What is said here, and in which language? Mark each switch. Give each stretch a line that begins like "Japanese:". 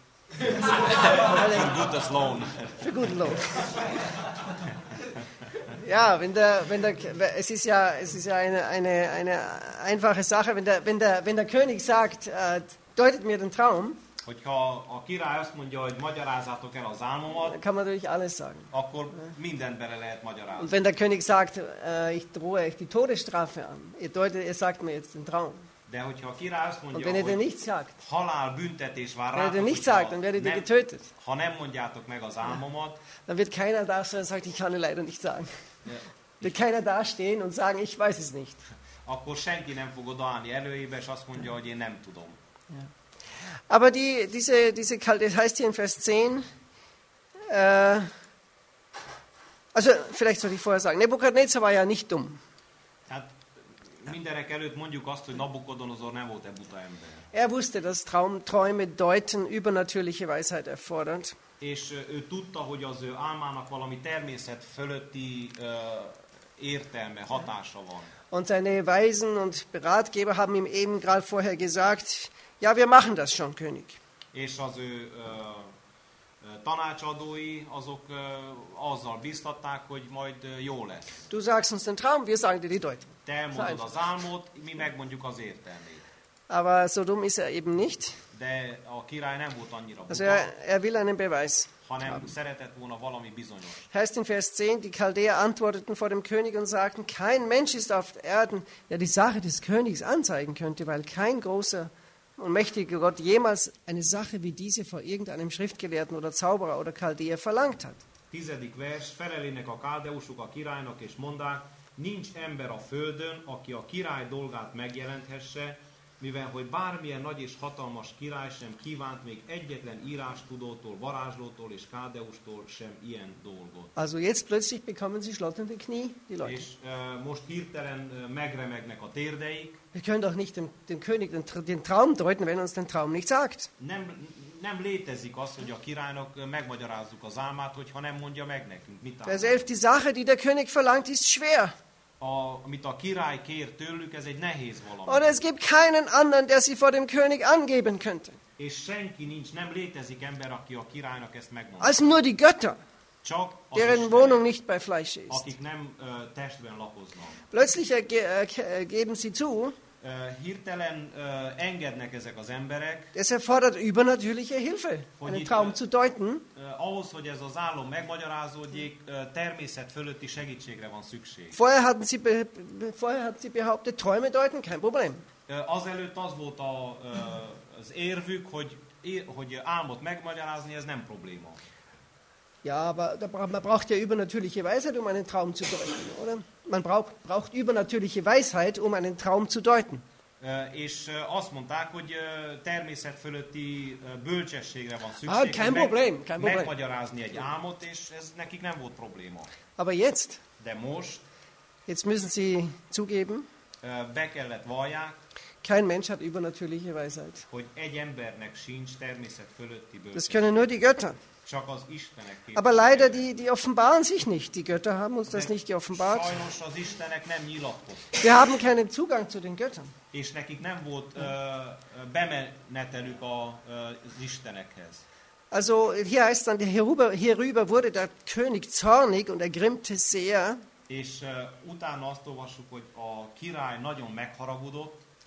German: Für gutes Lohn. Für guten Lohn. Ja, wenn der es ist ja eine einfache Sache, wenn der König sagt, deutet mir den Traum.
Hungarian: Hogyha a király azt mondja, hogy magyarázzátok el az álmomat,
German: kann man natürlich alles sagen.
Hungarian: Akkor mindent bele lehet magyarázni.
German: Und wenn der König sagt, ich drohe euch die Todesstrafe an, ihr sagt mir jetzt den Traum.
Hungarian: De hogyha a király azt mondja,
German: wenn
Hungarian: hogy
German: nicht sagt,
Hungarian: halál büntetés vár
German: rá, wenn nicht sagt, dann werdet ihr getötet.
Hungarian: Ha nem mondjátok meg az álmomat,
German: dann wird keiner da stehen und sagt, ich kann leider nicht sagen. Wird keiner da stehen und sagen, ich weiß es nicht.
Hungarian: Akkor senki nem fog odaállni előjébe, és azt mondja, hogy én nem tudom.
German: Aber diese Kalte, das heißt hier in Vers 10, also vielleicht sollte ich vorher sagen, Nebukadnezar war ja nicht dumm.
Hungarian: Mindenek előtt mondjuk azt, hogy Nabukodonosor nem volt egy buta ember.
German: Er wusste, dass Träume deuten übernatürliche Weisheit erfordert.
Hungarian: És ő tudta, hogy az ő álmának valami természet fölötti értelme, hatása van.
German: Und seine Weisen und Beratgeber haben ihm eben gerade vorher gesagt, ja, wir machen das schon, König.
Hungarian: És az ő tanácsadói, azok azzal biztatták, hogy majd jó lesz.
German: Du sagst uns den Traum, wir sagen dir die Deutung.
Hungarian: Te elmondod az álmot, mi megmondjuk az értelmét.
German: Aber so dumm ist er eben nicht.
Hungarian: De a király nem volt annyira buta.
German: Also er will einen Beweis.
Hungarian: Hanem szeretett volna valami bizonyos.
German: Heißt in Vers 10, die Chaldeer antworteten vor dem König und sagten, kein Mensch ist auf Erden, der die Sache des Königs anzeigen könnte, weil kein großer und mächtiger Gott jemals eine Sache wie diese vor irgendeinem Schriftgelehrten oder Zauberer oder Chaldeer verlangt hat.
Hungarian: 10. Vers, felelének a káldeusok a királynak, és mondák, nincs ember a földön, aki a király dolgát megjelenthesse, mivel hogy bármilyen nagy és hatalmas király sem kívánt még egyetlen írástudótól, varázslótól és kádeustól sem ilyen dolgot.
German: Also jetzt plötzlich bekommen sie schlotternde Knie, die Leute.
Hungarian: És most hirtelen megremegnek a térdeik.
German: Wir können doch nicht dem König den Traum deuten, wenn uns den Traum nicht sagt.
Hungarian: Nem létezik az, hogy a királynak megmagyarázzuk az álmát, hogyha nem mondja meg nekünk.
German: Mit Vers 11, die Sache, die der König verlangt, ist schwer.
Hungarian: Amit a király kér tőlük, ez egy nehéz valami.
German: Und es gibt keinen anderen, der sie vor dem König angeben könnte.
Hungarian: És senki nincs, nem létezik ember, aki a királynak ezt megmondja.
German: Als nur die Götter,
Hungarian: csak
German: deren
Hungarian: Isten,
German: Wohnung nicht bei Fleisch ist.
Hungarian: Akik nem testben lakoznak.
German: Plötzlich geben sie zu,
Hungarian: hirtelen engednek ezek az emberek.
German: Es erfordert übernatürliche Hilfe, einen Traum zu deuten.
Hungarian: Ahhoz, hogy ez az álom megmagyarázódjék, természet fölötti segítségre van szükség.
German: Vorher hatten sie behauptet, Träume deuten, kein Problem.
Hungarian: Azelőtt az volt az érvük, hogy álmot megmagyarázni, ez nem probléma.
German: Ja, aber man braucht ja übernatürliche Weisheit, um einen Traum zu deuten, oder? Man braucht übernatürliche Weisheit, um einen Traum zu deuten.
Hungarian: És azt mondták, hogy természet fölötti bölcsességre van szükség.
German: Ah, kein Problem, kein Problem.
Hungarian: Megmagyarázni egy álmot, és ez nekik nem volt probléma.
German: Aber jetzt?
Hungarian: De most?
German: Jetzt müssen Sie zugeben.
Hungarian: Be kellett vallják.
German: Kein Mensch hat übernatürliche Weisheit.
Hungarian: Hogy egy embernek sincs természet fölötti bölcsesség.
German: Das können nur die Götter.
Hungarian: Csak az Istenek képzelt.
German: Aber leider die offenbaren sich nicht. Die Götter haben uns das nicht geoffenbart.
Hungarian: Sajnos az Istenek nem nyilatkoztak.
German: Wir haben keinen Zugang zu den Göttern.
Hungarian: És nekik nem volt bemenetelük az Istenekhez.
German: Also hier heißt dann, hierüber wurde der König zornig und er grimmte sehr.
Hungarian: És utána azt olvassuk, hogy a király nagyon megharagudott.